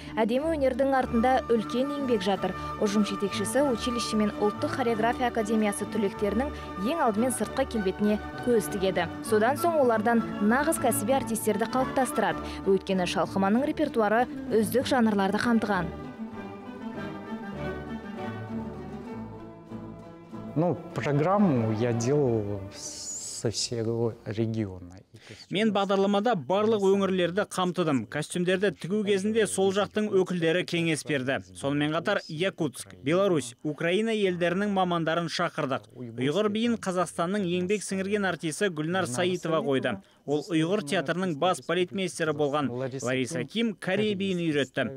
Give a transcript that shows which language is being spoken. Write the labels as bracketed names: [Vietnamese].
[Kazakh] Әдемі өнердің артында үлкен еңбек жатыр. Ұжым жетекшісі училище мен ұлттық хореография академиясы түлектерінің ең алдымен сыртқы келбетіне көз тігеді. Содан соң олардан нағыз кәсіби артистерді қалыптастырады. Өйткені шалқыманың репертуары үздік жанрларды қамтыған. [Russian] Ну, программу я делал со всего региона. [Kazakh] Мен бағдарламада барлық өңірлерді қамтыдым. Костюмдерді тігу кезінде сол жақтың өкілдері кеңес берді. Сонымен қатар Якутск, Беларусь, Украина елдерінің мамандарын шақырдық. Ұйғыр биін Қазақстанның еңбек сіңірген артисі Гүлнар Саитова қойды. Ол ұйғыр театрының бас балетмейстері болған. Лариса Ким Корей биін үйретті.